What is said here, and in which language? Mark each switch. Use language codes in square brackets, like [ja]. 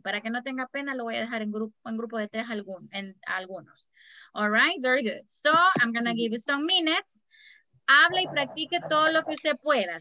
[es] Para que no tenga pena, lo voy a dejar en grupo de tres algunos. [en] All right. Very good. So I'm going to give you some minutes. [es] Habla y practique todo lo que usted pueda.